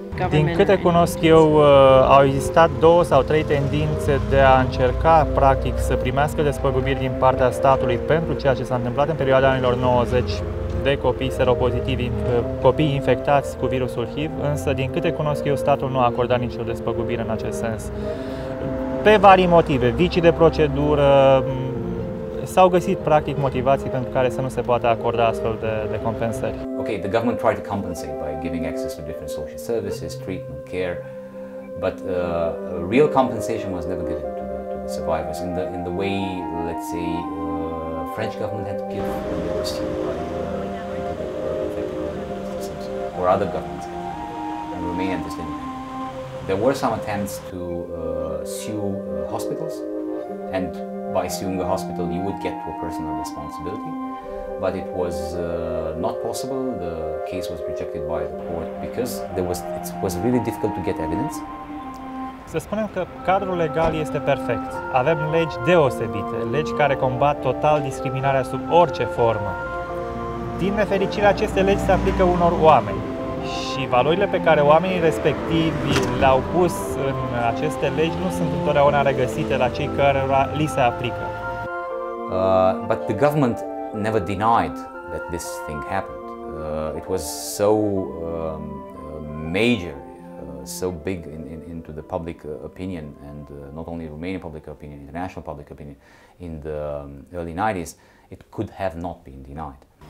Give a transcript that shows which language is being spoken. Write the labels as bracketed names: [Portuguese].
[Romanian] Din câte cunosc eu, au existat două sau trei tendințe de a încerca, practic, să primească despăgubiri din partea statului pentru ceea ce s-a întâmplat în perioada anilor 90 de copii seropozitivi, copii infectați cu virusul HIV, însă, din câte cunosc eu, statul nu a acordat nicio despăgubire în acest sens. Pe vari motive, vicii de procedură, s-au găsit practic motivații pentru care să nu se poată acorda astfel de compensări. [English] Okay, the government tried to compensate by giving access to different social services, treatment, care, But real compensation was never given to the survivors in the way, let's say, French government had to give when they were still or other governments in Romania and Slovenia. There were some attempts to sue hospitals, and by suing a hospital you would get to a personal responsibility, but it was not possible. The case was rejected by the court because there was it was really difficult to get evidence. [Romanian] Să spunem că cadrul legal este perfect. Avem legi deosebite, legi care combat total discriminarea sub orice formă. Din nefericire, aceste legi se aplică unor oameni și valorile pe care oamenii respectivi le-au pus în aceste legi nu sunt întotdeauna regăsite la cei cărora li se aplică. [English] But the government never denied that this thing happened. It was so major, so big into the public opinion, and not only Romanian public opinion, international public opinion, in the early 90s, it could have not been denied.